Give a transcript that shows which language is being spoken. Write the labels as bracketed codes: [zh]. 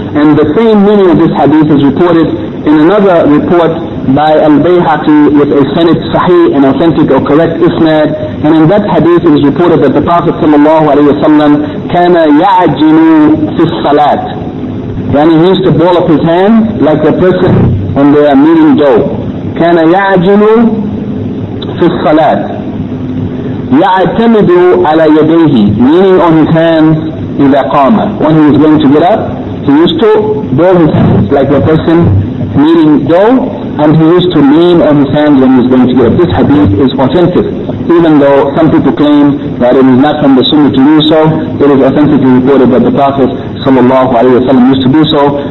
[en] And the same meaning of this hadith is reported in another report by al-Bayhaqi with a sanad sahih, an authentic or correct isnad. And in that hadith it is reported that the Prophet sallallahu alayhi wa sallam [ar] كان يعجن في الصلاة. [en] Then he used to ball up his hand like a person when they are kneading dough. [ar] كان يعجن في الصلاة. يعتمد على يديه, [en] meaning on his hands [ar] إذا قام. [en] When he was going to get up, he used to ball his hands like a person kneading dough, and he used to lean on his hands when he was going to get up. This hadith is authentic. Even though some people claim that it is not from the Sunnah to do so, it is authentically reported that the Prophet sallallahu alayhi wa sallam used to do so.